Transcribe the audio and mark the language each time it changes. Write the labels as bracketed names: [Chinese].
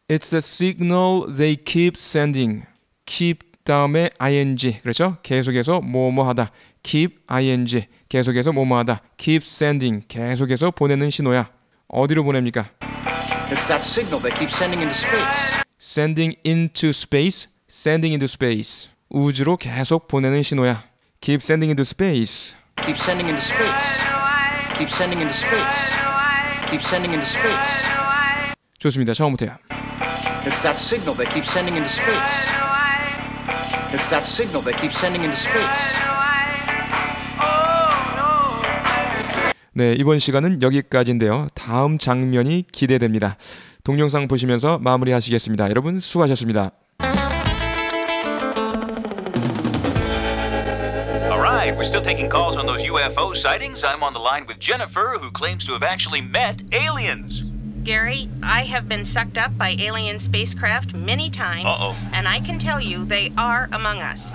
[English] It's the signal they keep sending. Keep [Korean] 다음에 ing, 그렇죠? 계속해서 뭐뭐하다. Keep ing, 계속해서 뭐뭐하다. [English] Keep sending, [Korean] 계속해서 보내는 신호야. 어디로 보냅니까? [English] It's that signal they keep sending into space. Sending into space, sending into space. [Korean] 우주로 계속 보내는 신호야. [English] Keep sending into space. Keep sending into space. Keep sending into space. Keep sending into space. [Korean] 좋습니다. 처음부터요. [English] It's that signal they keep sending into space. It's that signal they keep sending into space. [Korean] 네, 이번 시간은 여기까지인데요. 다음 장면이 기대됩니다. 동영상 보시면서 마무리하시겠습니다. 여러분 수고하셨습니다. [English] We're still taking calls on those UFO sightings. I'm on the line with Jennifer, who claims to have actually met aliens. Gary, I have been sucked up by alien spacecraft many times. Uh-oh. And I can tell you, they are among us.